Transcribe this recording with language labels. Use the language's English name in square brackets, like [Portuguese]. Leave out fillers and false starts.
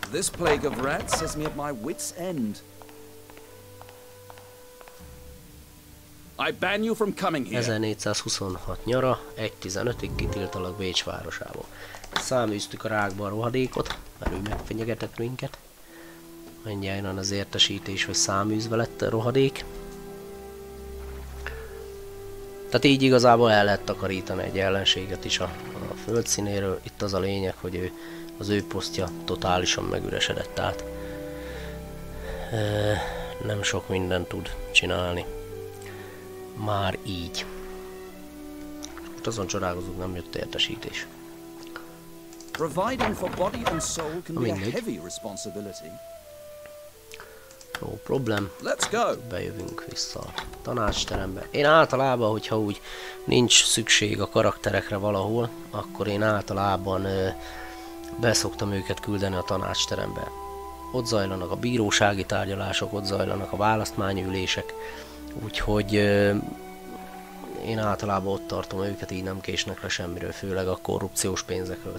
[English] This plague of rats has me at my wit's end. I ban you from coming here. [Hungarian] 1426 nyara, 1-15-ig kitiltalak Bécs városából. Száműztük a rákba a rohadékot, mert ő megfenyegetett minket. Mindjárt jön az értesítés, hogy száműzve lett a rohadék. Tehát így igazából el lehet takarítani egy ellenséget is a földszínéről. Itt az a lényeg, hogy ő, az ő posztja totálisan megüresedett, tehát nem sok mindent tud csinálni. Már így. Ott azon csodálkozunk, nem jött értesítés. [English] Providing for body and soul can be a heavy responsibility. No problem. Let's go. [Hungarian] Bejövünk vissza a tanácsterembe. Én általában, hogyha úgy nincs szükség a karakterekre valahol, akkor én általában beszoktam őket küldeni a tanácsterembe. Ott zajlanak a bírósági tárgyalások, ott zajlanak a választmányülések, úgyhogy én általában ott tartom őket, így nem késnek le semmiről, főleg a korrupciós pénzekről.